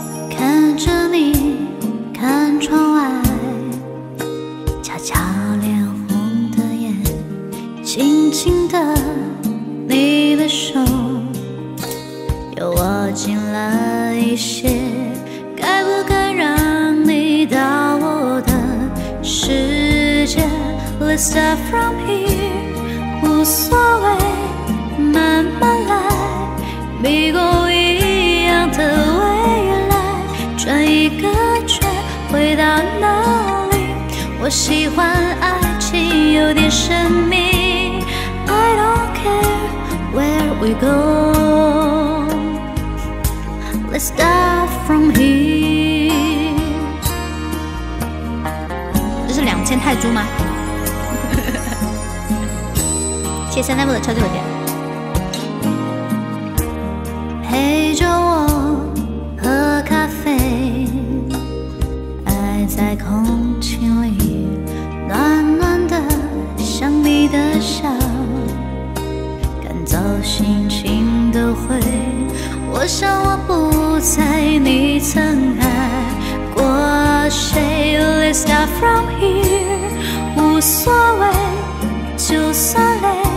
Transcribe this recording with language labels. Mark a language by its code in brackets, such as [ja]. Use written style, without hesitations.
[zh] 看着你，看窗外，悄悄脸红的眼，轻轻的你的手，又握紧了一些，该不该让你到我的世界？ [en] Let's start from here， [zh] 无所谓，慢慢来，迷宫一样的未来，转一个圈，回到哪里？我喜欢爱情有点神秘 ， [en] I don't care where we go， Let's start from here。 [zh] 这是两千泰铢吗？谢谢 Level 的超级火箭。陪着我喝咖啡，爱在空气里暖暖的，像你的笑，赶走心情的灰。我想我不在你曾爱过谁。 [en] Let's start from here， [zh] 无所谓，就算累。